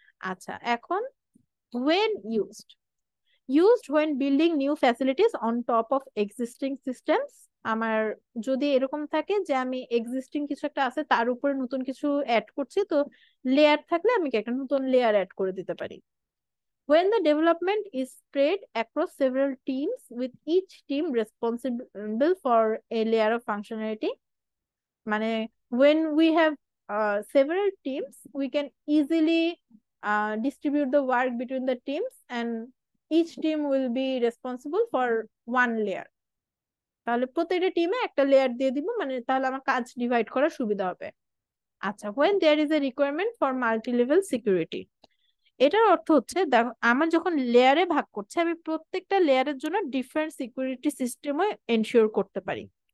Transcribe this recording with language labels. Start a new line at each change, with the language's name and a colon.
English: আচ্ছা, এখন when used, used when building new facilities on top of existing systems.
Bangla: আমার যদি এরকম থাকে যে আমি এক্সিস্টিং কিছু একটা আছে তার উপরে নতুন কিছু অ্যাড করছি, তো লেয়ার থাকলে আমি একটা নতুন লেয়ার অ্যাড করে দিতে পারি।
English: When the development is spread across several teams with each team responsible for a layer of functionality,
Bangla: মানে
English: when we have several teams we can easily distribute the work between the teams and each team will be responsible for one layer.
Bangla: তাহলে প্রত্যেকটা টিমে একটা layer দিয়ে দিব, মানে তাহলে আমার কাজ ডিভাইড করা সুবিধা হবে। আচ্ছা,
English: when there is a requirement for multi-level security,
Bangla: এটার অর্থ হচ্ছে দেখো, আমার যখন লেয়ারে ভাগ করছে, আমি প্রত্যেকটা লেয়ারের জন্য ডিফারেন্ট সিকিউরিটি সিস্টেমও এনশিওর করতে পারি।